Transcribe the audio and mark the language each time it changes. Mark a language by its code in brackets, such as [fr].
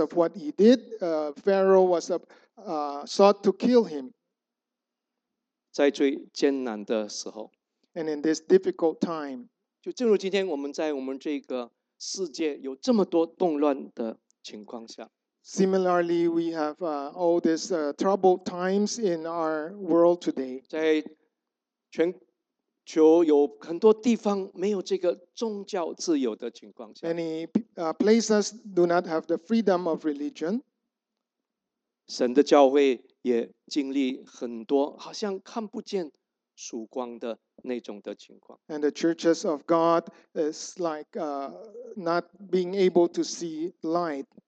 [en] of what he did, Pharaoh was sought to kill him. [zh] 在最艰难的时候。 [en] And in this difficult time, [zh] 就正如今天我们在我们这个世界有这么多动乱的情况下。 [en] Similarly, we have all these troubled times in our world today. [zh] 在全球有很多地方没有这个宗教自由的情况下, [en] many places do not have the freedom of religion. [zh] 神的教会也经历很多好像看不见曙光的那种的情况, [en] and the churches of God is like not being able to see light.